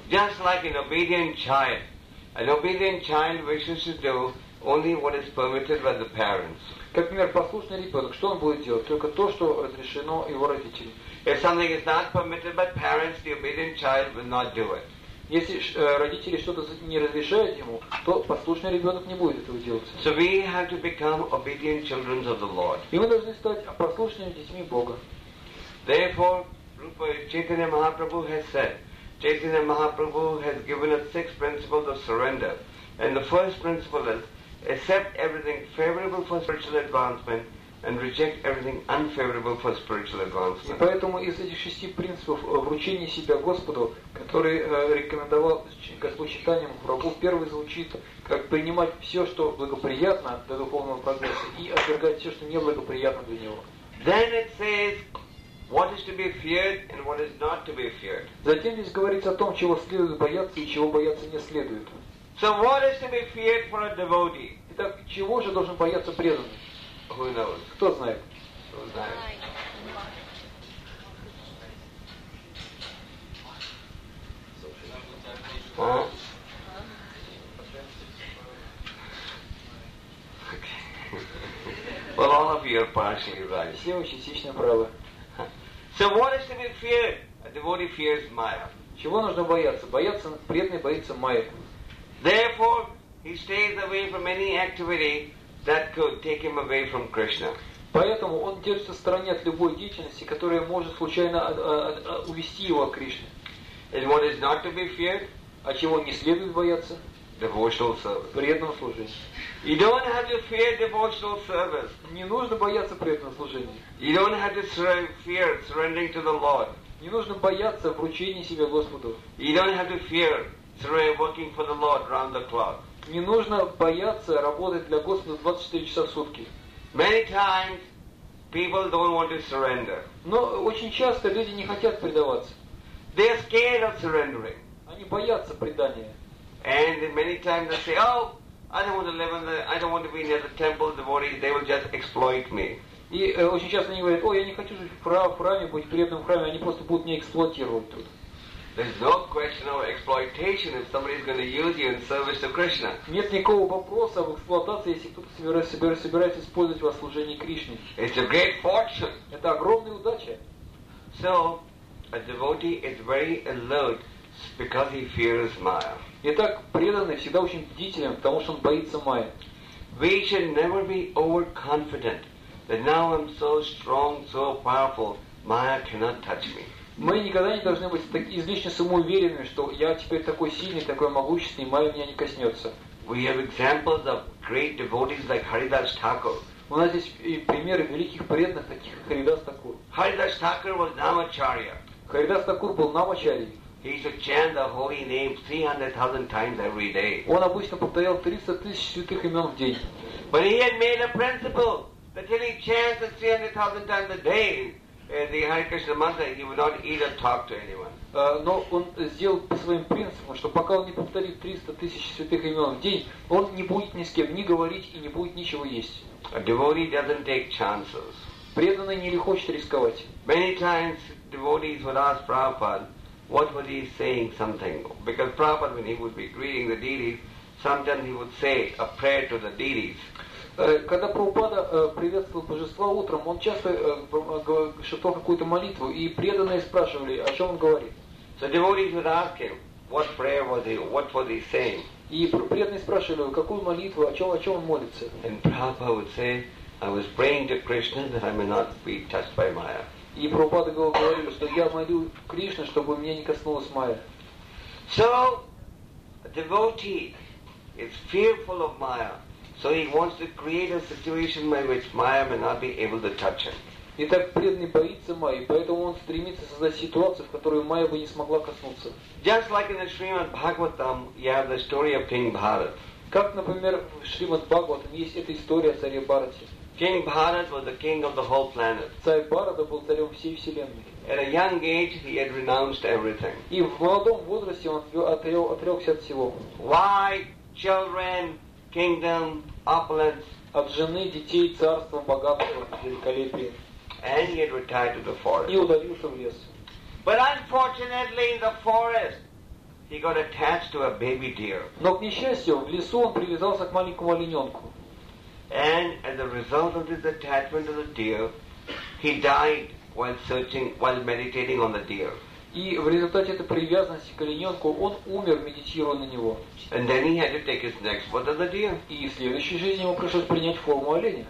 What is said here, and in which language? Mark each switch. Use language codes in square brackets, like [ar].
[en] Just like an obedient child wishes to do only what is permitted by the parents. [ru] Как, например, послушный ребенок, что он будет делать? Только то, что разрешено его родителям. [en] If something is not permitted by parents, the obedient child will not do it. [ru] Если родители что-то не разрешают ему, то послушный ребенок не будет этого делать. [en] So we have to become obedient children of the Lord. [ru] И мы должны стать послушными детьми Бога. [en] Therefore, Rupa Chaitanya Mahaprabhu has said, Chaitanya Mahaprabhu has given us 6 principles of surrender. And the first principle is, accept everything favorable for spiritual advancement and reject everything unfavorable for spiritual advancement. [ru] И поэтому из этих 6 принципов вручения себя Господу, который рекомендовал Господь Чайтанья Махапрабху, первый звучит, как принимать все, что благоприятно для духовного прогресса, и отвергать все, что неблагоприятно для него. [en] Then it says, what is to be feared and what is not to be feared. [ru] Затем здесь говорится о том, чего следует бояться и чего бояться не следует. [en] So what is to be feared for a devotee? [ru] Итак, чего же должен бояться преданный? [en] Who knows? [ru] Кто знает? Кто знает? [en] Well, all of you are partially right. [ru] Все вы частично правы. [en] So what is to be feared? A devotee fears Maya. [ru] Чего нужно бояться? Бояться преданный боится Майя. [en] Therefore, he stays away from any activity that could take him away from Krishna. [ru] Поэтому он держится в стороне от любой деятельности, которая может случайно увести его от Кришны. [en] And what is not to be feared? [ru] А чего не следует бояться? [en] Devotional service. [ru] Преданного служения. [en] You don't have to fear devotional service. [ru] Не нужно бояться преданного служения. [en] You don't have to fear surrendering to the Lord. [ru] Не нужно бояться вручения себя Господу. [en] You don't have to fear working for the Lord round the clock. [ru] Не нужно бояться работать для Господа 24 часа в сутки. [en] Many times people don't want to surrender. [ru] Но очень часто люди не хотят предаваться. [en] They are scared of surrendering. [ru] Они боятся предания. [en] And many times they say, "Oh, I don't want to live in the, I don't want to be near the temple devotees. They will just exploit me." [ru] И очень часто они говорят: "О, я не хочу жить в храме, быть преданным в храме. Они просто будут меня эксплуатировать тут." [en] There's no question of exploitation if somebody is going to use you in service to Krishna. [ru] Нет никакого вопроса об эксплуатации, если кто-то собирается использовать вас в служении Кришне. [en] It's a great fortune. [ru] Это огромная удача. [en] So, a devotee is very alert because he fears Maya. [ru] Итак, преданный всегда очень бдителен, потому что он боится Майи. [en] We should never be overconfident that now I'm so strong, so powerful, Maya cannot touch me. [ru] Мы никогда не должны быть так излишне самоуверенными, что я теперь такой сильный, такой могущественный, Майя меня не коснется. [en] We have examples of great devotees like Haridas Thakur. [ru] У нас есть примеры великих преданных, таких как Харидас Такур. [en] Haridas Thakur was Namacharya. [ru] Haridas Thakur был Намачарьей. [en] He should chant the holy name 300,000 times every day. [ru] Он обычно повторял 300,000 святых имен в день. [en] But he had made a principle that till he chants 300,000 times a day, the Hare Krishna mantra, he would not eat or talk to anyone. [ru] Но он сделал по своим принципам, что пока он не повторит 300,000 святых имен в день, он не будет ни с кем ни говорить и не будет ничего есть. [en] A devotee doesn't take chances. [ru] Преданный не хочет рисковать. [en] Many times devotees would ask Prabhupada, what was he saying something? Because Prabhupada, when he would be greeting the deities, sometimes he would say a prayer to the deities. [ru] Когда Прабхупада приветствовал божества утром, он часто шептал какую-то молитву, и преданные спрашивали, о чем он говорит. [en] So devotees would ask him, what prayer was he, what was he saying? [ru] И преданные спрашивали, какую молитву, о чем он молится. [en] And Prabhupada would say, I was praying to Krishna that I may not be touched by Maya. [ru] И Прабхупада говорил, что я молю Кришну, чтобы меня не коснулась Майя. [en] So, a devotee is fearful of Maya, so he wants to create a situation by which Maya may not be able to touch him. [ru] Итак, преданный боится Майи, поэтому он стремится создать ситуацию, в которой Майя бы не смогла коснуться. [en] Just like in the Srimad Bhagavatam, you have the story of King Bharat. [ru] Как, например, в Шримад Бхагаватам есть эта история о царе Бхарате. [en] King Bharat was the king of the whole planet. [ru] Царь Бхарата был царем всей вселенной. [en] At a young age, he had renounced everything. [ru] И в молодом возрасте он отрекся от всего. [en] Why, children, kingdom, opulence? [ru] От жены, детей, царства, богатства, великолепия. [en] And he had retired to the forest. [ru] И удалился в лес. [en] But unfortunately, in the forest, he got attached to a baby deer. [ru] Но к несчастью, в лесу он привязался к маленькому олененку. [en] And as a result of this attachment to the deer, he died while meditating on the deer. [ru] И в результате этой привязанности к олененку он умер, медитируя на него. [en] And then he had to take his next form as a deer. [ru] И в следующей жизни ему пришлось принять форму оленя.